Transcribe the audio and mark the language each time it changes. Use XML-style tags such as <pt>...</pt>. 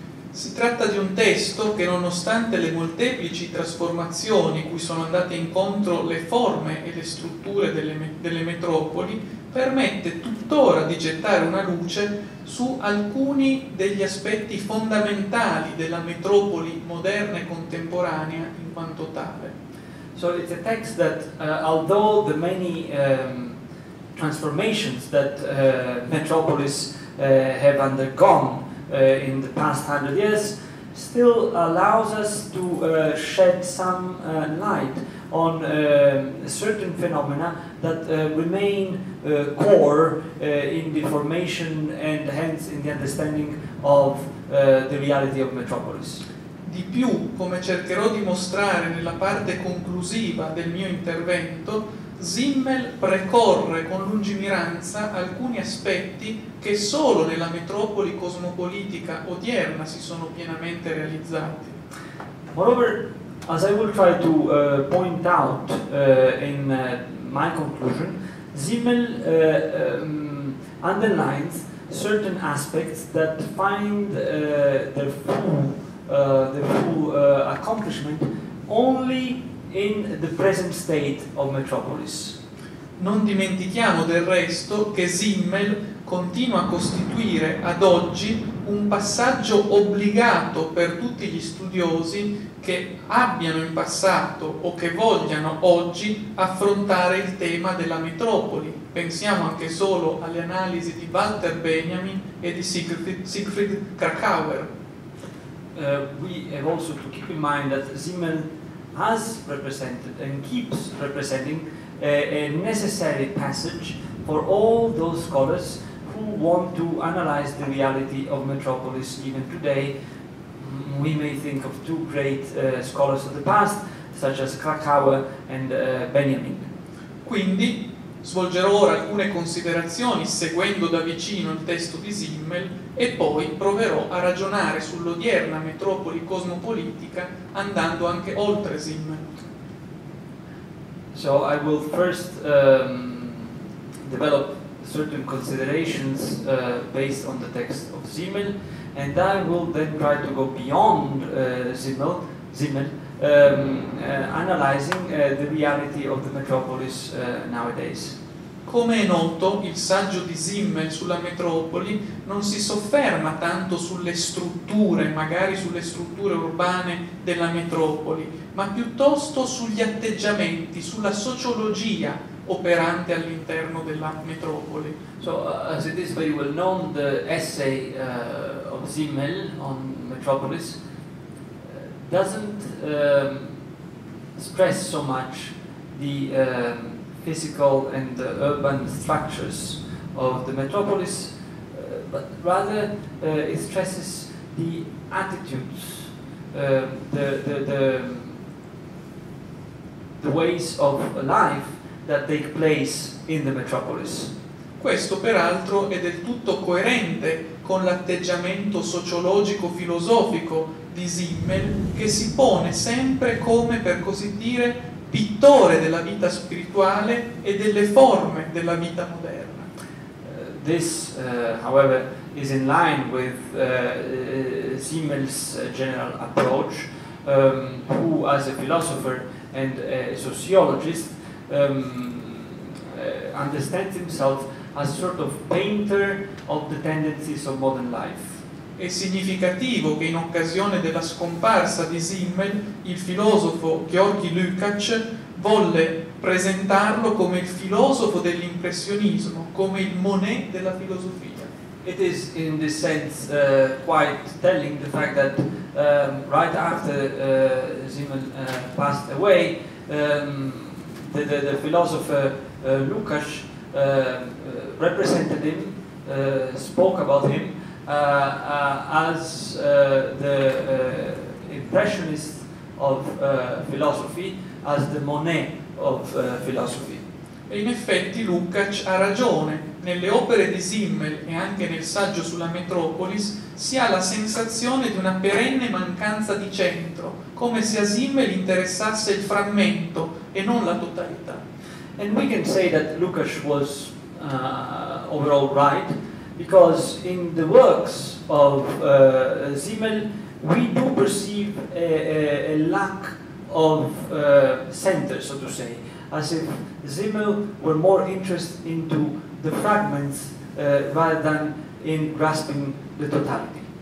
<it>Si tratta di un testo che, nonostante le molteplici trasformazioni cui sono andate incontro le forme e le strutture delle metropoli, permette tuttora di gettare una luce su alcuni degli aspetti fondamentali della metropoli moderna e contemporanea in quanto tale.</it> <en>So it's a text that, although the many transformations that metropolis have undergone in the past 100 years, still allows us to shed some light on certain phenomena that remain core in the formation and hence in the understanding of the reality of metropolis.</en> <it>Di più, come cercherò di mostrare nella parte conclusiva del mio intervento, Simmel precorre con lungimiranza alcuni aspetti che solo nella metropoli cosmopolitica odierna si sono pienamente realizzati.</it> <en>Moreover, as I will try to point out in my conclusion, Simmel underlines certain aspects that find their full accomplishment only in the present state of metropolis.</en> <it>Non dimentichiamo del resto che Simmel continua a costituire ad oggi un passaggio obbligato per tutti gli studiosi che abbiano in passato o che vogliano oggi affrontare il tema della metropoli. Pensiamo anche solo alle analisi di Walter Benjamin e di Siegfried Krakauer.</it> <en>We have also to keep in mind that Simmel has represented and keeps representing a necessary passage for all those scholars who want to analyze the reality of metropolis even today. We may think of two great scholars of the past, such as Krakauer and Benjamin.</en> <it>Quindi svolgerò ora alcune considerazioni seguendo da vicino il testo di Simmel e poi proverò a ragionare sull'odierna metropoli cosmopolitica andando anche oltre Simmel.</it> <en>So I will first develop certain considerations based on the text of Simmel, and I will then try to go beyond Simmel, analyzing the reality of the metropolis nowadays.</en> <it>Come è noto, il saggio di Simmel sulla metropoli non si sofferma tanto sulle strutture, magari sulle strutture urbane della metropoli, ma piuttosto sugli atteggiamenti, sulla sociologia operante all'interno della metropoli.</it> <en>So, as it is very well known, the essay of Simmel on metropolis doesn't stress so much the physical and the urban structures of the metropolis, but rather it stresses the attitudes, the ways of life that take place in the metropolis.</en> <it>Questo peraltro è del tutto coerente con l'atteggiamento sociologico-filosofico di Simmel, che si pone sempre come, per così dire, pittore della vita spirituale e delle forme della vita moderna.</it> <en>This, however, is in line with Simmel's general approach, who, as a philosopher and a sociologist, understands himself as sort of painter of the tendencies of modern life.</en> <it>È significativo che in occasione della scomparsa di Simmel, il filosofo Georgi Lukács volle presentarlo come il filosofo dell'impressionismo, come il Monet della filosofia.</it> <en>It is in this sense quite telling the fact that right after Simmel passed away, the philosopher Lukács represented him, spoke about him as the impressionist of philosophy, as the Monet of philosophy.</en> <it>E in effetti Lukács ha ragione. Nelle opere di Simmel e anche nel saggio sulla Metropolis si ha la sensazione di una perenne mancanza di centro, come se a Simmel interessasse il frammento e non la totalità.</it> <en>And we can say that Lukács was overall right, because in the works of Simmel we do perceive a lack of center, so to say, as if Simmel were more interested into the fragments rather than in grasping the totality.</en>